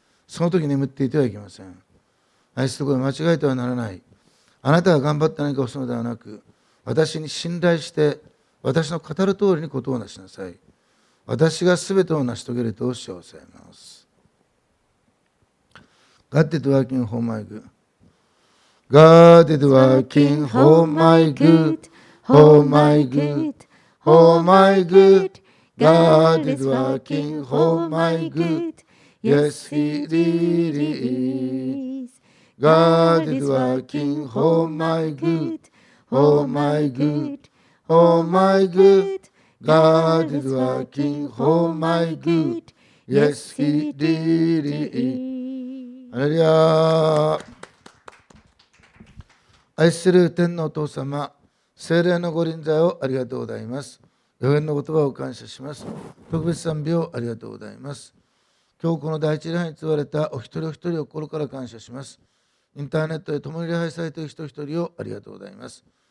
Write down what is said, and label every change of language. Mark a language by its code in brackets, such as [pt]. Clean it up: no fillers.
[ja] その時眠っていてはいけません。愛する声間違えてはならない。あなたが頑張って何かをするのではなく私に信頼して私の語る通りにことをなしなさい。私が全てを成し遂げるとおっしゃおさえます。 [en] God did working for my good.God did working for my good.For my good.For my good.God did working for my good.Yes, he did it.God did working for my good.For my good.For my good.God did working for my good.Yes, he did it. [ja] アレルヤ。愛する天のお父様、聖霊の御臨在をありがとうございます。予言の言葉を感謝します。特別賛美をありがとうございます。今日この第一礼拝に集われたお一人お一人を心から感謝します。インターネットで共に礼拝されている人一人をありがとうございます。